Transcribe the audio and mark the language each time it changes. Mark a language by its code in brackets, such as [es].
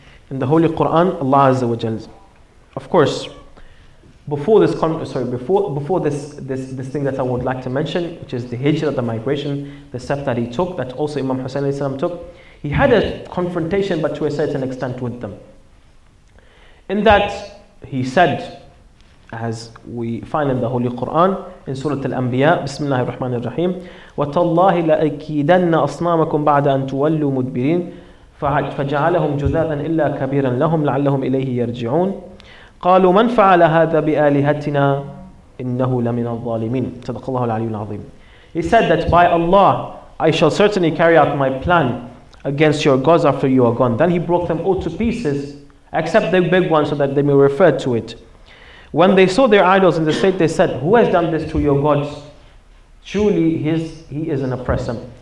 [en] In the Holy Quran, Allah Azza wa Jalla, of course, before this thing that I would like to mention, which is the hijrah, the migration, the step that he took, that also Imam Hussein alayhi salam took, he had a confrontation, but to a certain extent with them. In that, he said, as we find in the Holy Quran, in Surah Al-Anbiya, [ar] Bismillah ar-Rahman ar-Rahim, وَتَاللَّهِ لَأَكِيدَنَّ أَصْنَامَكُمْ بَعْدَ أَن تُوَلُّوا مُدْبِرِينَ فَجَعَلَهُمْ جُذَاذًا إِلَّا كَبِيرًا لَهُمْ لَعَلَّهُمْ إِلَيْهِ يَرْجِعُونَ قالوا من فعل هذا بآلهتنا إنه لمن الظالمين صدق الله العلي العظيم. [en] He said that by Allah I shall certainly carry out my plan against your gods after you are gone. Then he broke them all to pieces except the big one so that they may refer to it. When they saw their idols in the state, they said, who has done this to your gods? Truly he is an oppressor.